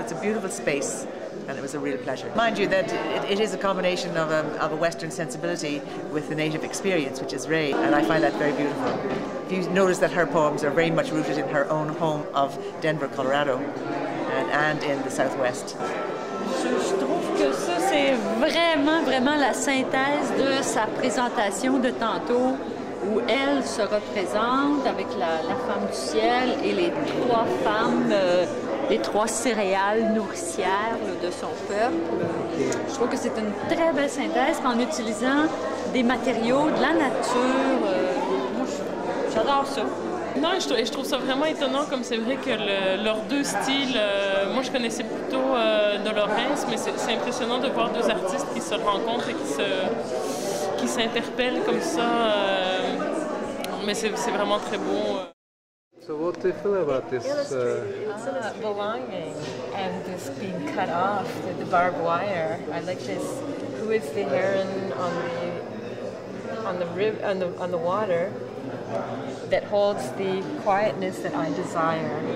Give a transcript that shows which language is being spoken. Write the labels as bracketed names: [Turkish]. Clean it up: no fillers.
[English] It's a beautiful space, and it was a real pleasure. Mind you that it is a combination of a Western sensibility with the native experience, which is Ray, and I find that very beautiful. If you notice that her poems are very much rooted in her own home of Denver, Colorado, and in the Southwest. [French] Que ça, c'est vraiment, vraiment la synthèse de sa présentation de tantôt, où elle se représente avec la femme du ciel et les trois femmes, les trois céréales nourricières de son peuple. Je trouve que c'est une très belle synthèse en utilisant des matériaux de la nature. Moi, j'adore ça. Non, je trouve ça vraiment étonnant, comme c'est vrai que leurs deux styles... moi, je connaissais plutôt Dolores, mais c'est impressionnant de voir deux artistes qui se rencontrent et qui s'interpellent comme ça. Mais c'est vraiment très beau. [English] So what do you feel about this? It's a lot of belonging and this being cut off, the barbed wire. I like this. Who is the heron on the water that holds the quietness that I desire?